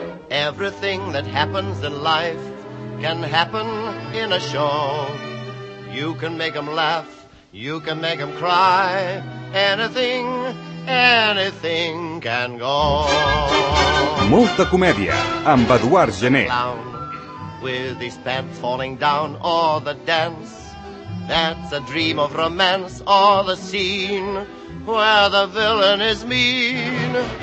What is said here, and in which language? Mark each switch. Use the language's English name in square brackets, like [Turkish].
[English] Everything that happens in life can happen in a show. You can make them laugh, you can make them cry. Anything, anything can go. [Catalan] Molta comèdia amb Eduard Gené. [English] Clown, with his pants falling down, or the dance that's a dream of romance, or the scene where the villain is mean.